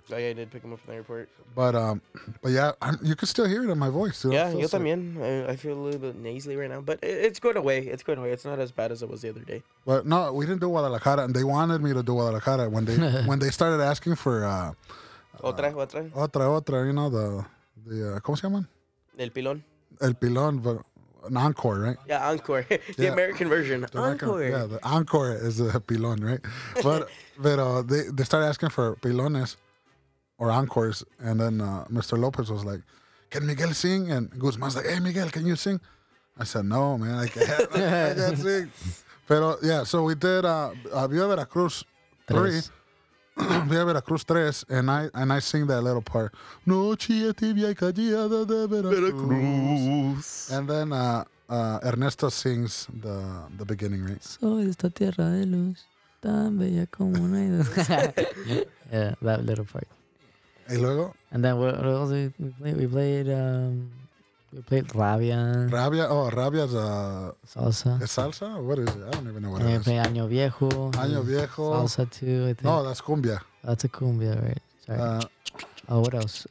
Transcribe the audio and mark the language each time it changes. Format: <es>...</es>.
<en>Oh, yeah, he did pick him up from the airport. But yeah, you can still hear it in my voice, too.</en> <es>Yeah, yo también.</es> <en>I feel a little bit nasally right now. But it's going away. It's going away. It's not as bad as it was the other day. But no, we didn't do Guadalajara. And they wanted me to do Guadalajara when they started asking for...</en> <es>Otra.</es> <en>You know, the</en> <es>¿cómo se llaman? El Pilón,</es> <en>but... An encore, right? Yeah, encore. The yeah. American version. The encore. American, yeah, the encore is a pilon, right? But they started asking for pilones or encores, and then Mr. Lopez was like, "Can Miguel sing?" And Guzman's like, "Hey, Miguel, can you sing?" I said, "No, man, I can't sing."</en> <es>Pero,</es> <en>yeah, so we did Viva Veracruz 3. Viva Veracruz 3, and I sing that little part.</en> <es>Noche tibia y callada de Veracruz.</es> <en>And then Ernesto sings the beginning, right? So</en> <es>esta tierra de luz, tan bella como una.</es> <en>Yeah, that little part.</en> <es>¿Y luego?</es> <en>And then what else did we play? We played Rabia. Rabia, oh, Rabia is a... Salsa. Is salsa? What is it? I don't even know what it is. We played Año Viejo. Año Viejo. Salsa too, I think. No, that's cumbia. That's a cumbia, right. Sorry. What else?</en>